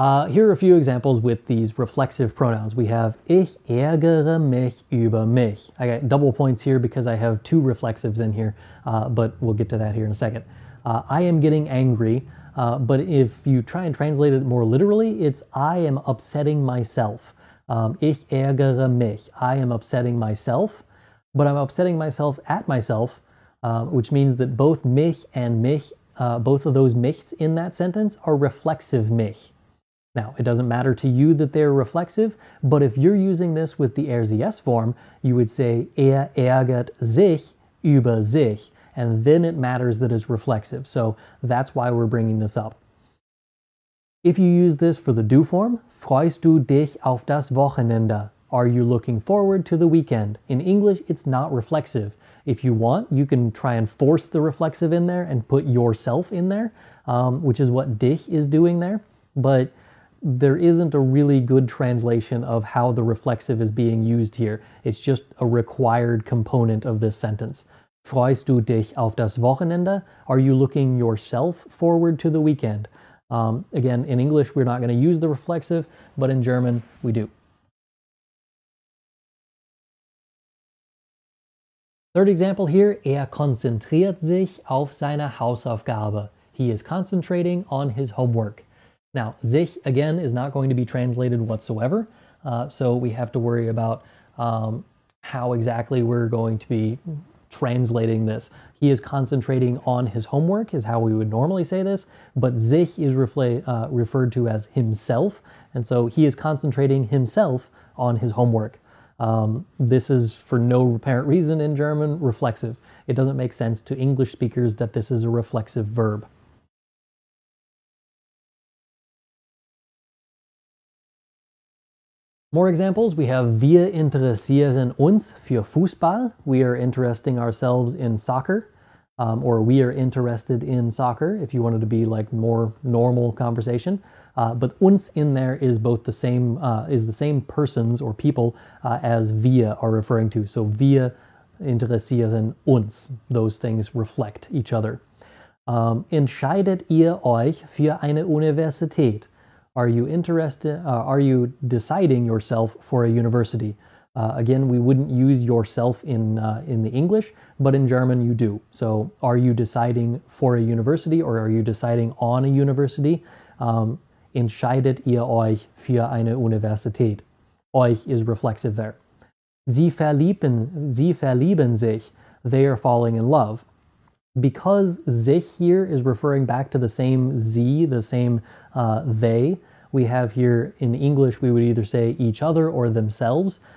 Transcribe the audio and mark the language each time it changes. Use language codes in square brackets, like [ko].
[en] Here are a few examples with these reflexive pronouns. We have [de] ich ärgere mich über mich. [en] I got double points here because I have two reflexives in here, but we'll get to that here in a second. I am getting angry, but if you try and translate it more literally, it's I am upsetting myself. [de] Ich ärgere mich. [en] I am upsetting myself, but I'm upsetting myself at myself, which means that both mich and mich, both of those michs in that sentence are reflexive mich. Now, it doesn't matter to you that they're reflexive, but if you're using this with the er, sie, es form, you would say [de] er ärgert sich über sich, [en] and then it matters that it's reflexive. So that's why we're bringing this up. If you use this for the du form, [de] freust du dich auf das Wochenende? [en] Are you looking forward to the weekend? In English, it's not reflexive. If you want, you can try and force the reflexive in there and put yourself in there, which is what dich is doing there. But there isn't a really good translation of how the reflexive is being used here. It's just a required component of this sentence. [de] Freust du dich auf das Wochenende? [en] Are you looking yourself forward to the weekend? Again, in English, we're not going to use the reflexive, but in German, we do. Third example here, [de] er konzentriert sich auf seine Hausaufgabe. [en] He is concentrating on his homework. Now, sich, again, is not going to be translated whatsoever, so we have to worry about how exactly we're going to be translating this. He is concentrating on his homework, is how we would normally say this, but sich is referred to as himself, and so he is concentrating himself on his homework. This is, for no apparent reason in German, reflexive. It doesn't make sense to English speakers that this is a reflexive verb. More examples, we have [de] wir interessieren uns für Fußball. [en] We are interesting ourselves in soccer. or we are interested in soccer, if you wanted to be like more normal conversation. But uns in there is both the same, is the same persons or people as wir are referring to. [de] So wir interessieren uns. [en] Those things reflect each other. [de] Entscheidet ihr euch für eine Universität? [en] Are you interested? Are you deciding yourself for a university? Again, we wouldn't use yourself in the English, but in German you do. So are you deciding for a university or are you deciding on a university? [de] Entscheidet ihr euch für eine Universität? [en] Euch is reflexive there. [de] Sie verlieben sich. [en] They are falling in love. Because sich here is referring back to the same sie, the same they, we have here in English, we would either say each other or themselves.